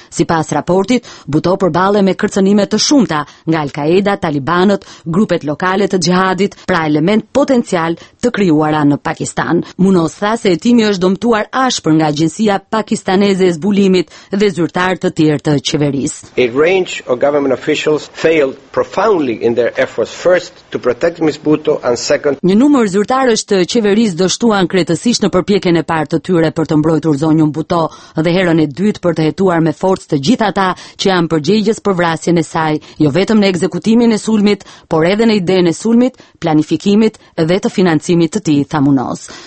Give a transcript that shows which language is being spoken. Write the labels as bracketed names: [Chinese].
[Albanian] Sipas raportit, Bhutto përballet me kërcënime të shumta nga Al-Qaeda, Talibanët, grupet lokale të xhihadit, pra element potencial të krijuara në Pakistan. Munoz tha se hetimi është dëmtuar ashpër nga agjencia pakistaneze e zbulimit dhe zyrtar të tjerë të qeverisë. [English] A range of government officials failed profoundly in their efforts first to protect Ms. Bhutto and second. [Albanian] Një numër zyrtarësh të qeverisë qeverisë dështuan kretësisht në përpjekjen e parë të tyre për të mbrojtur zonjën Buto dhe herën e dytë për të hetuar me forcë të gjithë ata që janë përgjegjës për vrasjen e saj, jo vetëm në ekzekutimin e sulmit, por edhe në idenë e sulmit, planifikimit dhe të financimit të tij, tha Munoz.